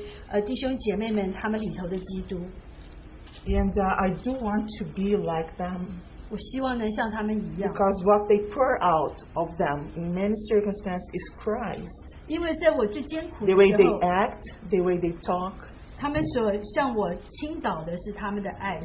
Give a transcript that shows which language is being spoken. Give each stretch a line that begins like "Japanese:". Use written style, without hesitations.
Chinese: 所以不管是什么巴西文化、美国文化、中国文化，对我来说都是额外的事实，因为我想到这对弟兄姐妹们他们里头的基督。
English: And I do want to be like them.
Chinese: 我希望能像他们一样。
English: Because what they pour out of them in many circumstances is Christ.
Chinese: 因为在我最艰苦的时候,
English: the way they act, the way they talk.
Chinese: 他们所向我倾倒的是他们的爱,